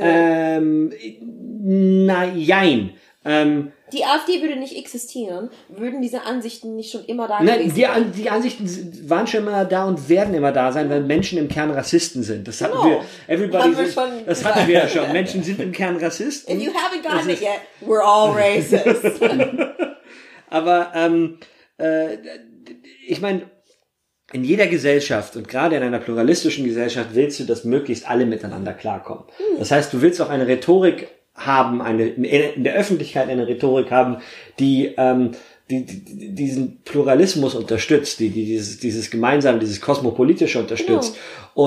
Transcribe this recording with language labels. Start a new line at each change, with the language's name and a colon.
German: Nein. Die AfD würde nicht existieren, würden diese Ansichten nicht schon immer da gewesen sein. Die Ansichten waren schon immer da und werden immer da sein, weil Menschen im Kern Rassisten sind. Das hatten wir. Das hatten wir ja schon. Menschen sind im Kern Rassisten.
English: If you haven't gotten it yet, we're all racist.
German: Aber ich meine, in jeder Gesellschaft und gerade in einer pluralistischen Gesellschaft willst du, dass möglichst alle miteinander klarkommen. Das heißt, du willst auch eine Rhetorik haben, eine in der Öffentlichkeit eine Rhetorik haben, die, die diesen Pluralismus unterstützt, die dieses gemeinsame, dieses kosmopolitische unterstützt. Genau.